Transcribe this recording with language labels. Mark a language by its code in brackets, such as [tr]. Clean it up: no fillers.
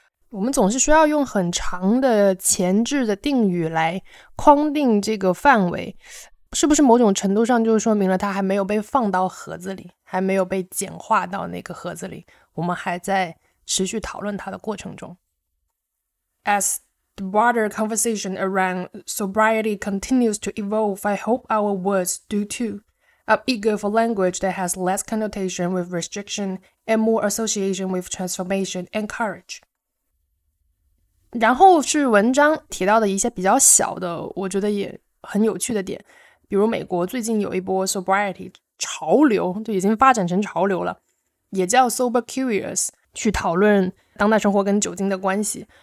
[zh] 我们总是需要用很长的前置的定语来框定这个范围，是不是某种程度上就说明了它还没有被放到盒子里，还没有被简化到那个盒子里，我们还在持续讨论它的过程中。 [en] As the broader conversation around sobriety continues to evolve, I hope our words do too. I'm eager for language that has less connotation with restriction and more association with transformation and courage. [zh] 然后是文章提到的一些比较小的我觉得也很有趣的点，比如美国最近有一波 sobriety 潮流，就已经发展成潮流了，也叫 sober curious， 去讨论当代生活跟酒精的关系。